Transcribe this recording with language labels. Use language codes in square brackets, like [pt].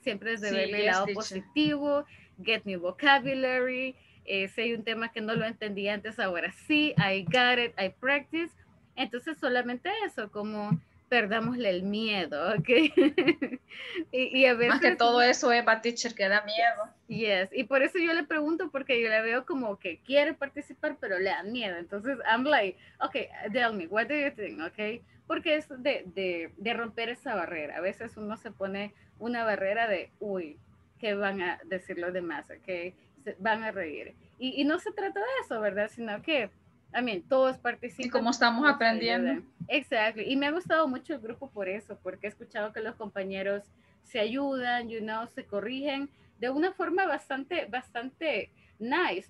[es] Siempre es de verle el lado positivo, [en] get new vocabulary, [es] si hay un tema que no lo entendía antes, ahora sí, [en] I got it, I practice. [es] Entonces solamente eso, como perdámosle el miedo, ¿ok? y a veces, más que todo eso, Eva, teacher, que da miedo. Yes, y por eso yo le pregunto, porque yo la veo como que quiere participar, pero le da miedo. [en] Entonces, I'm like, okay, tell me, what do you think, okay? [es] Porque es de romper esa barrera. A veces uno se pone una barrera de, uy, ¿qué van a decir los demás, okay? Se van a reír. Y no se trata de eso, ¿verdad? Sino que, [en] I mean, [es] todos participan. Y como estamos aprendiendo. Exacto. Y me ha gustado mucho el grupo por eso, porque he escuchado que los compañeros se ayudan, [en] you know, [es] se corrigen de una forma bastante, bastante nice.